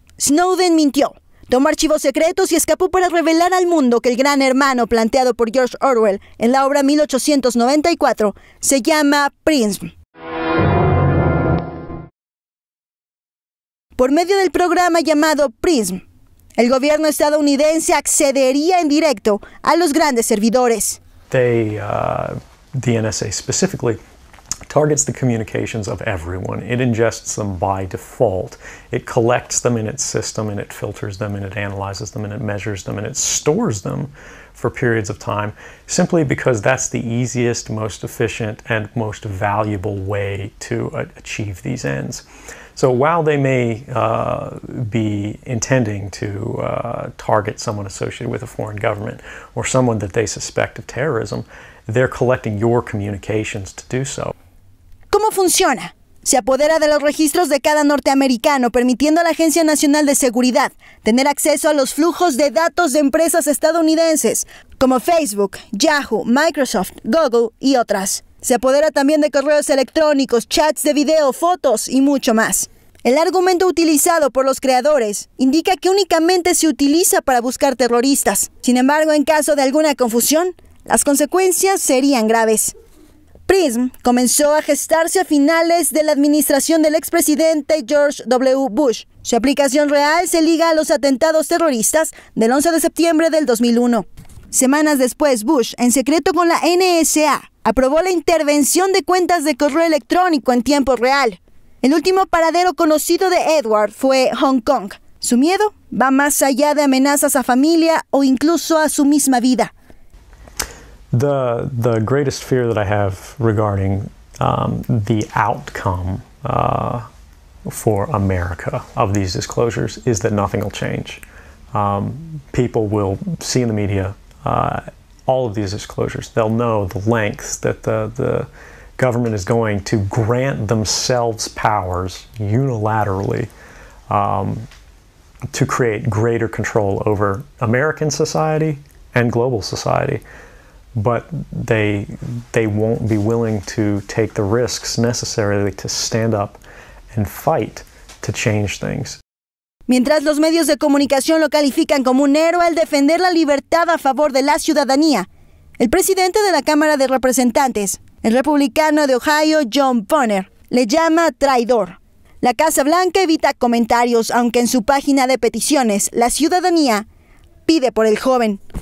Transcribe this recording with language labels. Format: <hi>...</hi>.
<es>Snowden mintió, tomó archivos secretos y escapó para revelar al mundo que el gran hermano planteado por George Orwell en la obra 1894 se llama PRISM. Por medio del programa llamado PRISM, el gobierno estadounidense accedería en directo a los grandes servidores.</es> <en>The NSA specifically targets the communications of everyone. It ingests them by default. It collects them in its system, and it filters them, and it analyzes them, and it measures them, and it stores them for periods of time, simply because that's the easiest, most efficient, and most valuable way to achieve these ends. So while they may be intending to target someone associated with a foreign government or someone that they suspect of terrorism, they're collecting your communications to do so.</en> <es>¿Cómo funciona? Se apodera de los registros de cada norteamericano, permitiendo a la Agencia Nacional de Seguridad tener acceso a los flujos de datos de empresas estadounidenses, como Facebook, Yahoo, Microsoft, Google y otras. Se apodera también de correos electrónicos, chats de video, fotos y mucho más. El argumento utilizado por los creadores indica que únicamente se utiliza para buscar terroristas. Sin embargo, en caso de alguna confusión, las consecuencias serían graves. PRISM comenzó a gestarse a finales de la administración del expresidente George W. Bush. Su aplicación real se liga a los atentados terroristas del 11 de septiembre del 2001. Semanas después, Bush, en secreto con la NSA, aprobó la intervención de cuentas de correo electrónico en tiempo real. El último paradero conocido de Edward fue Hong Kong. Su miedo va más allá de amenazas a familia o incluso a su misma vida.</es> <en>The greatest fear that I have regarding the outcome for America of these disclosures is that nothing will change. People will see in the media all of these disclosures. They'll know the lengths that the government is going to grant themselves powers unilaterally to create greater control over American society and global society. But they won't be willing to take the risks necessarily to stand up and fight to change things.</en> <es>Mientras los medios de comunicación lo califican como un héroe al defender la libertad a favor de la ciudadanía, el presidente de la Cámara de Representantes, el republicano de Ohio, John Boehner, le llama traidor. La Casa Blanca evita comentarios, aunque en su página de peticiones, la ciudadanía pide por el joven.</es>